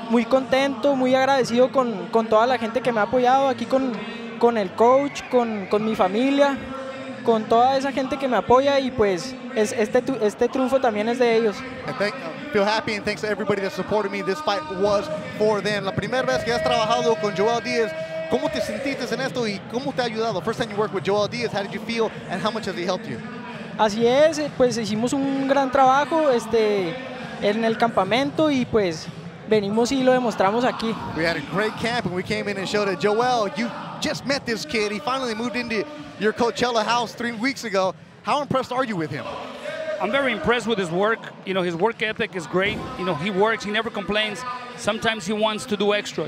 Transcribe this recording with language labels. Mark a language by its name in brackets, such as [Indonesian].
[Spanish] Muy contento, muy agradecido con toda la gente que me ha apoyado aquí con el coach, con mi familia, con toda esa gente que me apoya y pues este triunfo también es de ellos. [English] Feel happy and thanks to everybody that supported me. This fight was for them. [Spanish] La primera vez que has trabajado con Joel Diaz, ¿cómo te sentiste en esto y cómo te ha ayudado? [English] First time you worked with Joel Diaz, how did you feel and how much has he helped you? [Spanish] Así es, pues hicimos un gran trabajo en el campamento y pues venimos y lo demostramos aquí. [English] We had a great camp and we came in and showed it. Joel, you just met this kid. He finally moved into your Coachella house 3 weeks ago. How impressed are you with him? I'm very impressed with his work. You know, his work ethic is great. You know, he works, he never complains. Sometimes he wants to do extra.